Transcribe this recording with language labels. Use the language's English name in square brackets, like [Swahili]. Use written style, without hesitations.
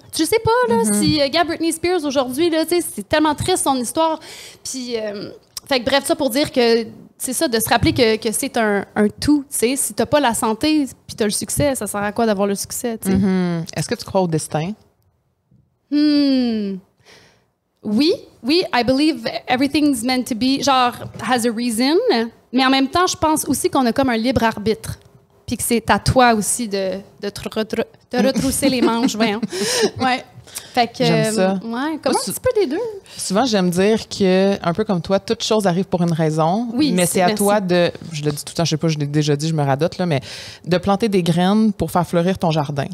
[French] Tu sais pas, là, si regarde Britney Spears aujourd'hui, là, tu sais, c'est tellement triste son histoire. Puis, fait que bref, ça pour dire que c'est ça, de se rappeler que c'est un tout, tu sais. Si t'as pas la santé, puis t'as le succès, ça sert à quoi d'avoir le succès, tu sais. Est-ce que tu crois au destin? Oui. [English] I believe everything's meant to be, [French] genre, [English] has a reason. [French] Mais en même temps, je pense aussi qu'on a comme un libre arbitre. Puis que c'est à toi aussi de retrousser les manches, voyons. Ouais. Fait que, j'aime ça. Ouais, comment un petit peu des deux? Souvent, j'aime dire que, un peu comme toi, toute chose arrive pour une raison. Oui, mais c'est à toi de, je le dis tout le temps, je sais pas, je l'ai déjà dit, je me radote, là, mais de planter des graines pour faire fleurir ton jardin.